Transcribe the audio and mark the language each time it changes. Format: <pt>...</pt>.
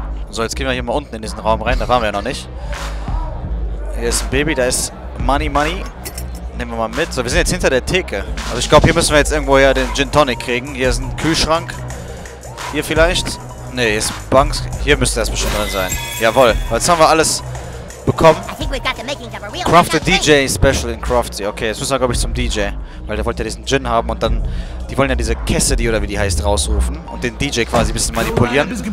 <de>So, jetzt gehen wir hier mal unten in diesen Raum rein, da waren wir ja noch nicht. Hier ist ein Baby, da ist Money. Nehmen wir mal mit. So, wir sind jetzt hinter der Theke. Also ich glaube, hier müssen wir jetzt irgendwo ja den Gin Tonic kriegen. Hier ist ein Kühlschrank. Hier vielleicht. Ne, hier ist Banks. Hier müsste das bestimmt drin sein. Jawohl, jetzt haben wir alles bekommen.</de> <en>Craft a DJ Special in Crafty.</en> <de>Okay, jetzt müssen wir, glaube ich, zum DJ. Weil der wollte ja diesen Gin haben und dann... Die wollen ja diese Cassidy, oder wie die heißt, rausrufen und den DJ quasi ein bisschen manipulieren.</de>